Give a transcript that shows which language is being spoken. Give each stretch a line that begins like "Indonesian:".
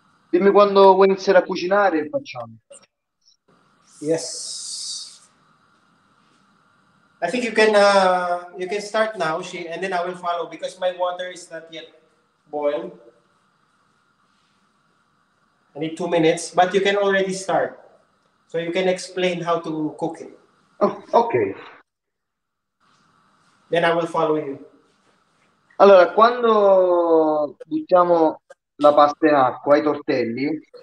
Italian: Dimmi quando vuoi iniziare a cucinare e facciamo.
English: Yes. I think you can start now, she, and then I will follow because my water is not yet boiled. I need 2 minutes, but you can already start. So you can explain how to cook it. Oh, okay. Then I will follow you.
Italian: Allora, quando buttiamo la pasta in acqua, i tortelli,